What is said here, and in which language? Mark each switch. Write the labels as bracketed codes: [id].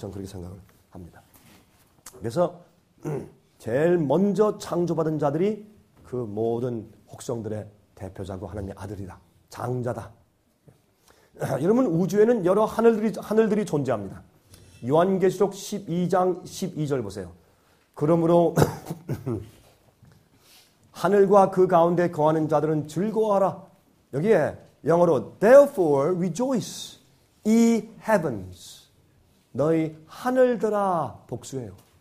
[ko] 저는 그렇게 생각을 합니다. 그래서 제일 먼저 창조받은 자들이 그 모든 혹성들의 대표자고 하나님의 아들이다. 장자다. 여러분, 우주에는 여러 하늘들이 존재합니다. 요한계시록 12장 12절 보세요. 그러므로 하늘과 그 가운데 거하는 자들은 즐거워하라. 여기에 영어로 [en] therefore rejoice ye heavens. [ko] 너희 하늘들아 복수해요.